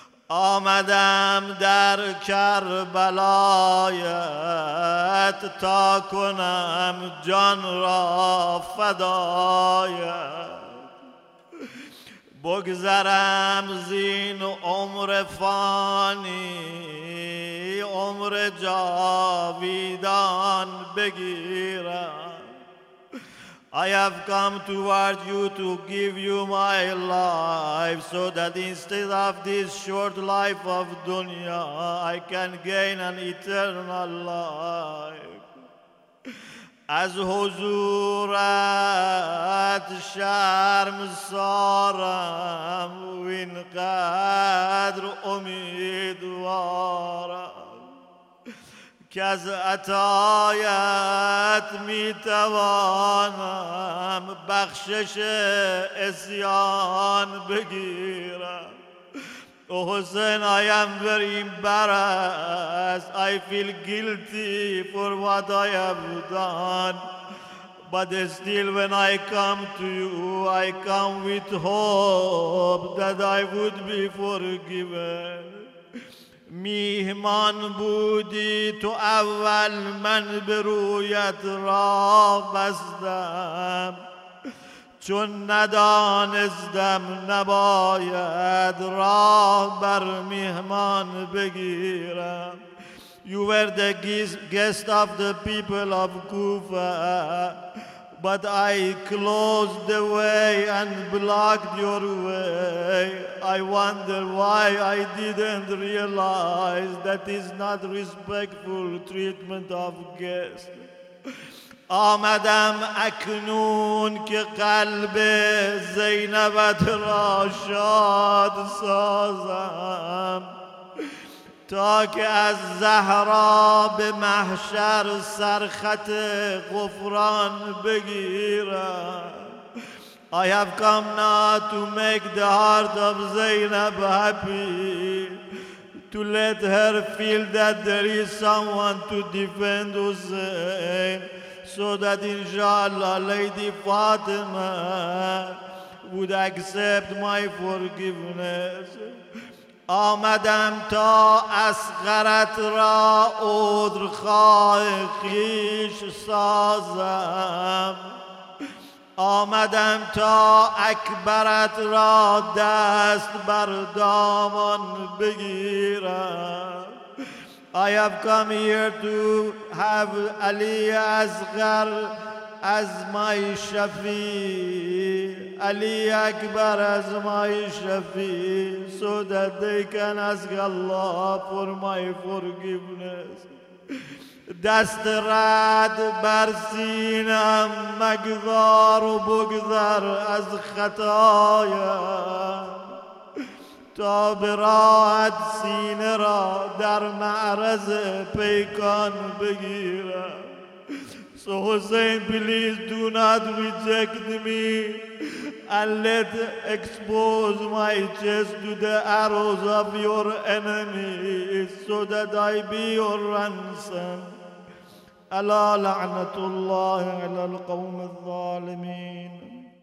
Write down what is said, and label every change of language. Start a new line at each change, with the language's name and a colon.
Persian: آمدم در کربلایت تا کنم جان را فدایت. بگذرم زین عمر فانی، عمر جاویدان بگیرم.
English: I have come toward you to give you my life so that instead of this short life of dunya I can gain an eternal life.
Persian: از حضورت شرم سارم و این قدر امیدوارم که از عطایت میتوانم بخشش عصیان بگیرم.
English: Oh Hussein, I am very embarrassed. I feel guilty for what I have done. But still, when I come to you, I come with hope that I would be forgiven.
Persian: میهمان بودی تو اول، من به رویت را بستم چون ندانستم نباید راه بر میهمان بگیرم.
English: You were the guest of the people of Kufa, but I closed the way and blocked your way. I wonder why I didn't realize that is not respectful treatment of guests.
Persian: آمدم اکنون که قلب زینبت را شاد سازم تا که از زهرا به محشر سرخط غفران بگیرم.
English: I have come not to make the heart of Zainab happy, to let her feel that there is someone to defend Hussein, so that inshallah Lady Fatima would accept my forgiveness.
Persian: آمدم تا اسقرت را عذر خواه خیش سازم، آمدم تا اکبرت را دست بر دامن بگیرم.
English: I have come here to have Ali Asghar as my Shafi, Ali Akbar as my Shafi, so that they can ask Allah for my forgiveness.
Persian: دست رد بر سینم مگذار و بگذر از خطایم تا به راحت سینه را در معرض پیکان بگیرم.
English: So Hussein, please do not reject me and let expose my chest to the arrows of your enemies so that I be your ransom.
Arabic: Allah لعنت الله على القوم الظالمين.